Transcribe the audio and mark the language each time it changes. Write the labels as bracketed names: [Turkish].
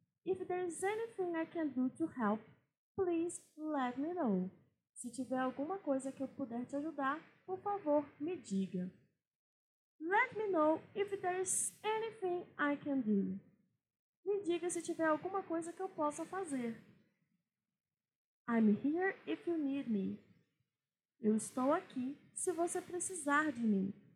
[English] If there is anything I can do to help, please let me know. [Portuguese] Se tiver alguma coisa que eu puder te ajudar, por favor, me diga. [English] Let me know if there is anything I can do. [Portuguese] Me diga se tiver alguma coisa que eu possa fazer. [English] I'm here if you need me. [Portuguese] Eu estou aqui se você precisar de mim.